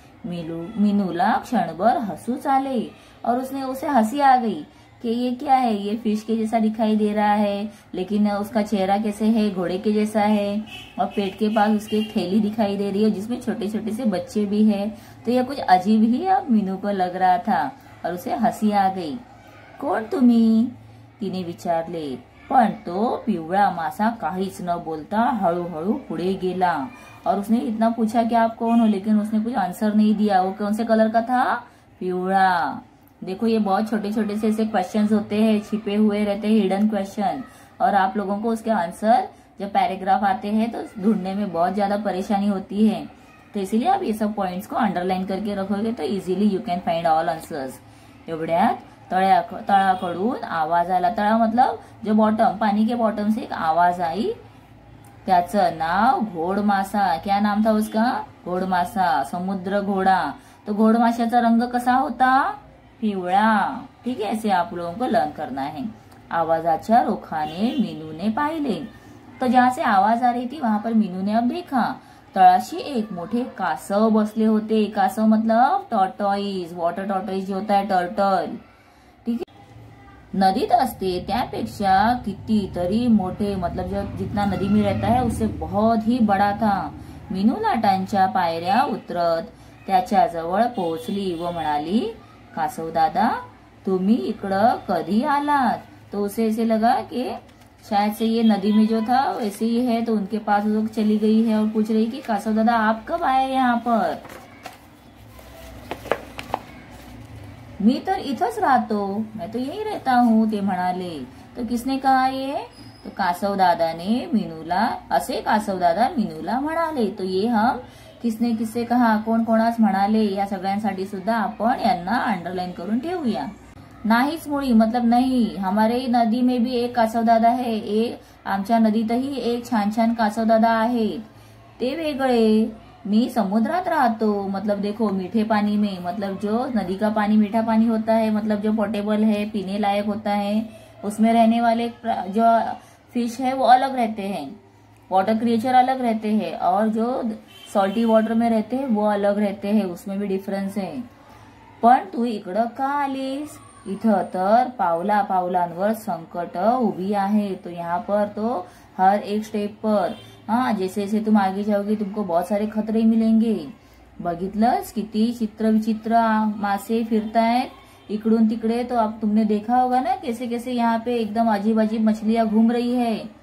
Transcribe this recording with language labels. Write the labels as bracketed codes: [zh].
[mr] मीनूला क्षणभर हसूच आले, [hi] और उसने उसे हंसी आ गई, कि ये क्या है, ये फिश के जैसा दिखाई दे रहा है, लेकिन उसका चेहरा कैसे है, घोड़े के जैसा है, और पेट के पास उसकी एक थैली दिखाई दे रही है जिसमें छोटे छोटे से बच्चे भी है। तो यह कुछ अजीब ही अब मीनू को लग रहा था और उसे हंसी आ गई। [mr] कौन तुम्ही, तिने विचार ले। पण तो पिवळा मासा काहीच न बोलता हळू हळू पुढे गेला [hi] और उसने इतना पूछा कि आप कौन हो, लेकिन उसने कुछ आंसर नहीं दिया। वो कौन से कलर का था? पिवळा। देखो ये बहुत छोटे छोटे से ऐसे क्वेश्चंस होते हैं, छिपे हुए रहते हैं, हिडन क्वेश्चन, और आप लोगों को उसके आंसर जब पैराग्राफ आते हैं तो ढूंढने में बहुत ज्यादा परेशानी होती है। तो इसीलिए आप ये सब पॉइंट्स को अंडरलाइन करके रखोगे तो [en] Easily you can find all answers. [mr] एवढ्यात तळाकडून आवाज आला। [hi] तळा मतलब जो बॉटम, पानी के बॉटम से एक आवाज आई। [mr] त्याचं नाव घोडमासा। [hi] क्या नाम था उसका? घोडमासा, समुद्र घोडा। [mr] तो घोडमाशाचा रंग कसा होता? पिवळा। [hi] ठीक है, ऐसे आप लोगों को लर्न करना है। [mr] आवाजाच्या रुखाने मीनू ने पाहिले। [hi] तो जहां से आवाज आ रही थी वहां पर मीनू ने अब देखा, [mr] तळाशी एक मोठे कासव बसले होते। [hi] कासव मतलब टॉर्टॉइज, वॉटर टॉर्टॉइज जो होता है, टर्टल। [mr] नदीत असते त्यापेक्षा कितीतरी मोठे, [hi] मतलब जो जितना नदी में रहता है उससे बहुत ही बड़ा था। [mr] मीनू लाटांच्या पायऱ्या उतरत त्याच्या जवळ पोहोचली व म्हणाली, कासव दादा तुम्ही इकडे कधी आलात? [hi] तो उसे ऐसे लगा कि शायद से ये नदी में जो था वैसे ही है, तो उनके पास लोग चली गई है और पूछ रही कि कासव दादा आप कब आए यहाँ पर? [mr] मी तर इथच राहतो, [hi] मैं तो यही रहता हूँ, [mr] ते म्हणाले। [hi] तो किसने कहा ये? तो कासव दादा ने मीनूला, [mr] असे कासव दादा मीनूला म्हणाले। [hi] तो ये हम किसने किससे कहा, [mr] कोण कोणास म्हणाले, या सगळ्यांसाठी सुद्धा आपण यांना अंडरलाइन करून ठेवूया। नाहीच मुळी मतलब नहीं, [hi] हमारे नदी में भी एक कासव दादा है, [mr] एक आमच्या नदीतही एक छान छान कासव दादा आहे, ते वेगळे। मी समुद्रात राहतो, [hi] मतलब देखो मीठे पानी में, मतलब जो नदी का पानी मीठा पानी होता है, मतलब जो पोटेबल है, पीने लायक होता है, उसमें रहने वाले जो फिश है वो अलग रहते हैं, वाटर क्रिएचर अलग रहते हैं, और जो सॉल्टी वाटर में रहते हैं वो अलग रहते हैं, उसमें भी डिफरेंस है। [mr] पण तू इकड़ का आलीस? इथ तर पावला पावलांवर संकट उभी आहे। [hi] तो यहाँ पर तो हर एक स्टेप पर, हाँ जैसे जैसे तुम आगे जाओगे तुमको बहुत सारे खतरे मिलेंगे। [mr] बघितलंस किती चित्र विचित्र मासे फिरतायत इकडून तिकडे, [hi] तो आप तुमने देखा होगा ना कैसे कैसे यहाँ पे एकदम अजीब अजीब मछलियां घूम रही है।